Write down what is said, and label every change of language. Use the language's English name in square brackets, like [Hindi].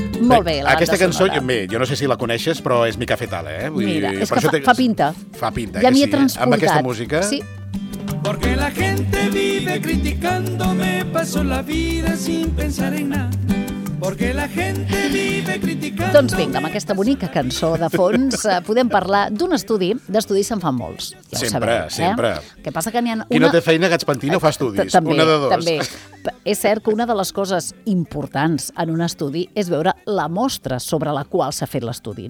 [Catalan] Molt bé, aquesta cançó, bé, jo no sé si la coneixes, però és Mica Fetal, eh? Vull dir, és per que això fa pinta. Fa pinta, ja que sí, transportat. Amb aquesta música. Sí. [Spanish] Porque la gente vive criticándome, paso la vida sin pensar en nada. Porque la gente vive criticándome. [Catalan] Doncs vinga, amb aquesta bonica cançó de fons podem parlar d'un estudi. D'estudis se'n fan molts, ja sempre, ho sabem. Sempre. Que passa que n'hi ha una... Qui no té feina, gats pentina, fa estudis. Una de dos. També. És cert que una de les coses importants en un estudi és veure la mostra sobre la qual s'ha fet l'estudi.